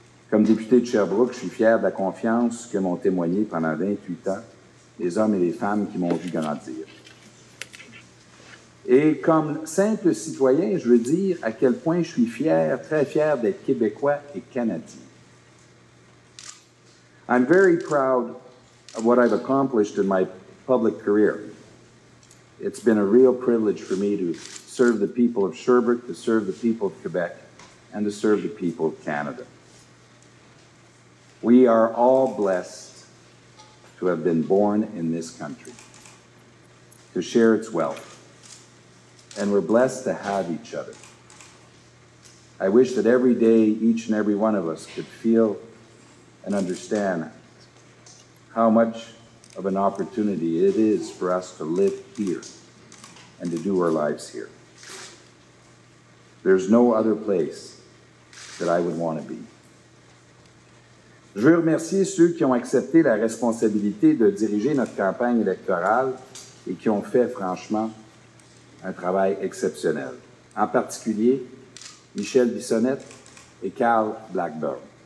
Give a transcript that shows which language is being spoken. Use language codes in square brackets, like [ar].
[fr] Comme député de Sherbrooke, je suis fier de la confiance que m'ont témoigné pendant 28 ans les hommes et les femmes qui m'ont vu grandir. Et comme simple citoyen, je veux dire à quel point je suis fier, très fier d'être Québécois et Canadien. [en] I'm very proud of what I've accomplished in my public career. It's been a real privilege for me to serve the people of Sherbrooke, to serve the people of Quebec, and to serve the people of Canada. We are all blessed to have been born in this country, to share its wealth. And we're blessed to have each other. I wish that every day, each and every one of us could feel and understand how much of an opportunity it is for us to live here and to do our lives here. There's no other place that I would want to be. [fr] Je veux remercier ceux qui ont accepté la responsabilité de diriger notre campagne électorale et qui ont fait franchement un travail exceptionnel, en particulier Michel Bissonnette et Carl Blackburn.